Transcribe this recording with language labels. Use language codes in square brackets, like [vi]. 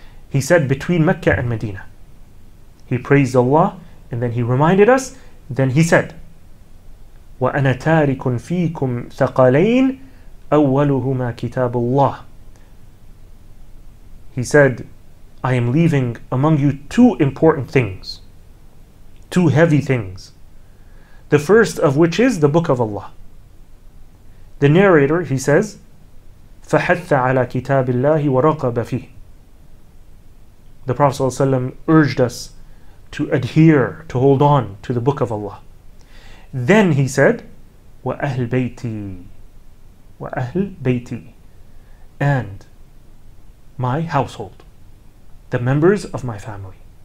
[en] He said, between Mecca and Medina. He praised Allah and then he reminded us, then he said, [ar] وَأَنَا تَارِكٌ فِيكُمْ ثَقَلَيْنَ أَوَّلُهُمَا كِتَابُ اللَّهِ. [en] He said, I am leaving among you two important things, two heavy things. The first of which is the Book of Allah. The narrator, he says, [ar] فَحَثَّ عَلَى كِتَابِ اللَّهِ وَرَقَبَ فِيهِ. [en] The Prophet ﷺ urged us to adhere, to hold on to the Book of Allah. Then he said, [ar] وَأَهْلْ بَيْتِي وَأَهْلْ بَيْتِي [en] and my household, the members of my family.